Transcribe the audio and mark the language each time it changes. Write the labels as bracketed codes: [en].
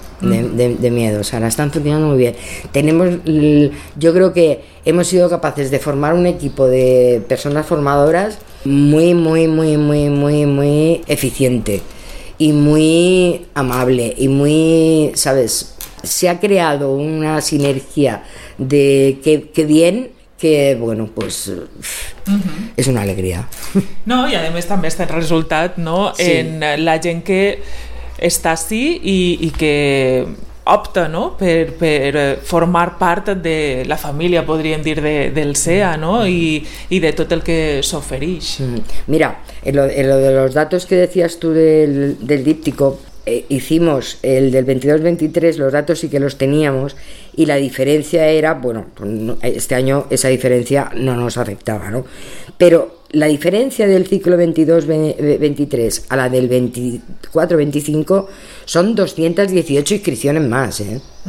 [es] De miedo, o sea, la están funcionando muy bien. Tenemos, yo creo que hemos sido capaces de formar un equipo de personas formadoras muy, muy, muy, muy, muy, muy eficiente y muy amable y muy, ¿sabes? Se ha creado una sinergia de que bien, que bueno, pues es una alegría. No, y además también está el resultado, ¿no?, sí, [ca] en la gent que està ací i que opta, no?, per formar part de la família, podríem dir, del SEA, no?, i de tot el que s'ofereix. [es] Mira, en lo de los datos que decías tú del díptico, hicimos el del 22-23, los datos sí que los teníamos, y la diferencia era, bueno, este año esa diferencia no nos afectaba, ¿no? Pero la diferencia del ciclo 22-23 a la del 24-25 son 218 inscripciones más, ¿eh?